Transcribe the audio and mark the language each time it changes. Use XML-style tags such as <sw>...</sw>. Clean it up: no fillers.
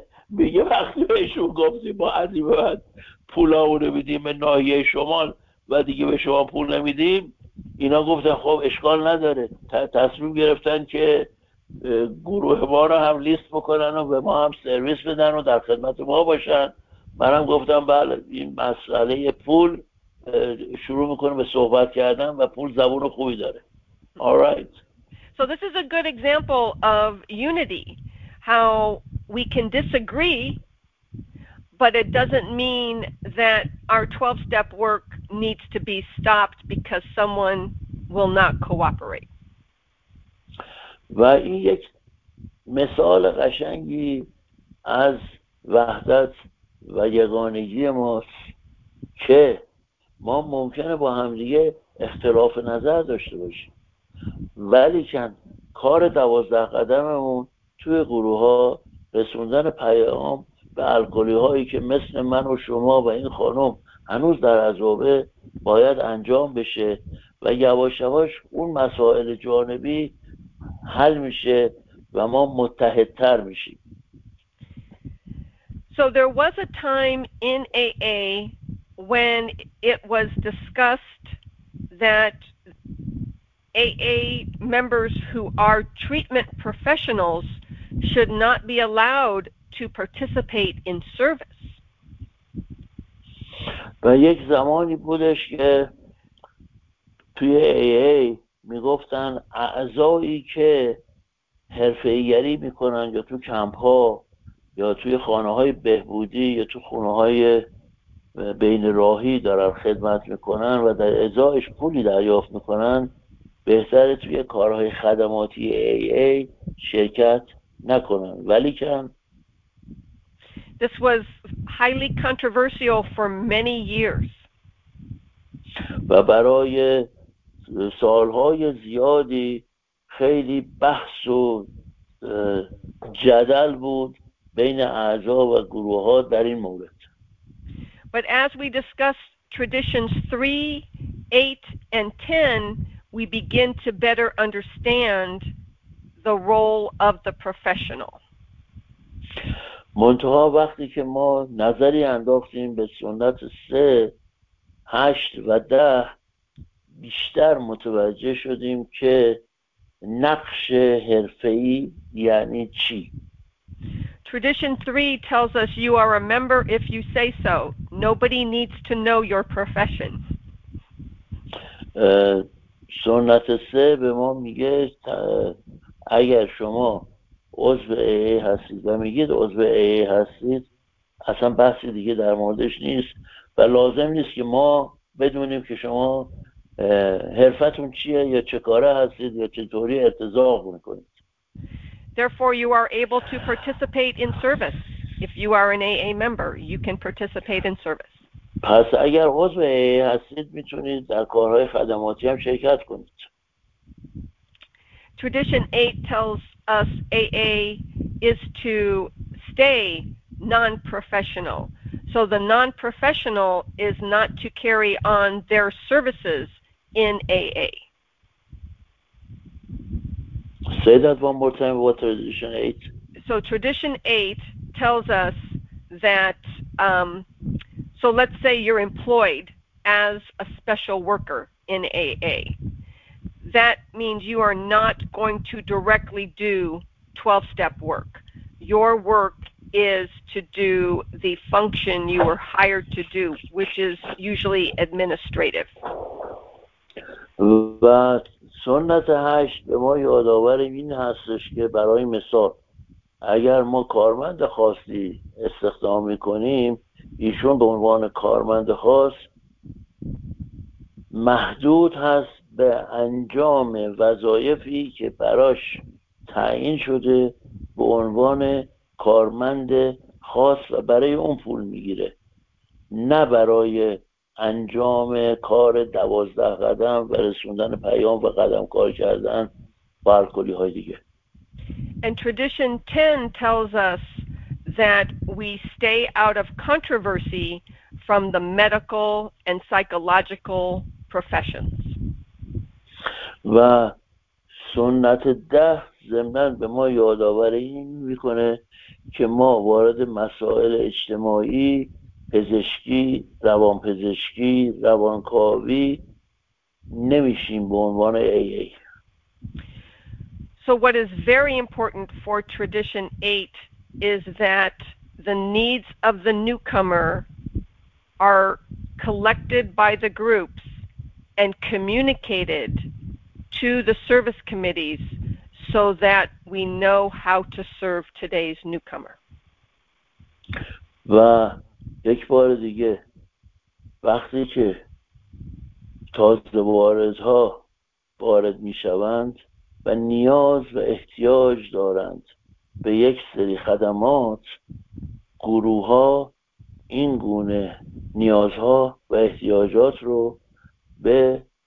<fa>میگه وقتی بهشون گفتیم ما از این بعد پولامو نمیدیم به ناحیه شمال و دیگه به شما پول نمیدیم، اینا گفتن خب اشکال نداره، تصمیم گرفتن که گروه ما رو هم لیست بکنن و به ما هم سرویس بدن و در خدمت ما باشن. منم گفتم بله، این مسئله پول شروع میکنه به صحبت کردن و پول زبون خوبی داره.</fa> <en>All right. So this is a good example of unity. How we can disagree, but it doesn't mean that our 12-step work needs to be stopped because someone will not cooperate.</en> <fa>و این یک مثال قشنگی از وحدت و یگانگی ماست که ما ممکنه با همدیگه اختلاف نظر داشته باشیم، ولی چند کار 12 قدممون توی گروه ها رسوندن پیام به الکلی هایی که مثل من و شما و این خانم هنوز در عذابه باید انجام بشه، و یواش یواش اون مسائل جانبی حل میشه و ما متحدتر میشیم.</fa> <en>So there was a time in AA when it was discussed that AA members who are treatment professionals should not be allowed to participate in service.</en> <fa>و یک زمانی بودش که توی AA می گفتن اعضایی که حرفه‌ای‌گری می کنن یا تو کمپ ها یا توی خانه های بهبودی یا تو خونه های بین راهی دارن خدمت می کنن و در ازایش پولی دریافت می کنن، بهتره توی کارهای خدماتی AA شرکت نکنن. ولیکن</fa> <en>This was highly controversial for many years.</en> <fa>و برای سالهای زیادی خیلی بحث و جدل بود بین اعضا و گروه ها در این مورد.</fa> <en>But as we discussed traditions 3, 8 and 10, we begin to better understand the role of the professional.</en> <fa>منتها وقتی که ما نظری انداختیم به سنت 3 8 و 10 بیشتر متوجه شدیم که نقش حرفه‌ای یعنی چی.</fa> <en>Tradition 3 tells us you are a member if you say so. Nobody needs to know your profession.</en> <fa>سنت 3 به ما میگه اگر شما عضو AA هستید و میگید عضو AA هستید اصلا بحثی دیگه در موردش نیست و لازم نیست که ما بدونیم که شما حرفتون چیه یا چه کاره هستید یا چطوری ارتزاق میکنید.</fa> <en>Therefore you are able to participate in service. If you are an AA member, you can participate in service.</en> <fa>پس اگر عضو AA هستید میتونید در کارهای خدماتی هم شرکت کنید.</fa> <en>Tradition 8 tells us AA is to stay non-professional. So the non-professional is not to carry on their services in AA. Say that one more time about Tradition 8. So Tradition 8 tells us that, so let's say you're employed as a special worker in AA. That means you are not going to directly do 12-step work. Your work is to do the function you were hired to do, which is usually administrative.</en> <fa>و سنت هشت به ما یادآور این هستش که برای مثال اگر ما کارمند خاصی استخدام میکنیم ایشون به عنوان کارمند خاص محدود هست به انجام وظایفی که براش تعیین شده به عنوان کارمند خاص و برای اون پول میگیره، نه برای انجام کار 12 قدم و رسوندن پیام و قدم کار کردن با الکلی های دیگه.</fa> <en>And tradition 10 tells us that we stay out of controversy from the medical and psychological professions.</en> <fa>و سنت 10 ضمناً به ما یادآور این میکنه که ما وارد مسائل اجتماعی، پزشکی، روانپزشکی، روانکاوی نمیشیم به عنوان AA.</fa> <en>So what is very important for tradition 8 is that the needs of the newcomer are collected by the groups and communicated to the service committees so that we know how to serve today's newcomer.</en> <fa>و یک بار دیگه وقتی که تازه واردها وارد میشوند و نیاز و احتیاج دارند به یک سری خدمات، گروه ها این گونه نیازها و احتیاجات رو به</fa>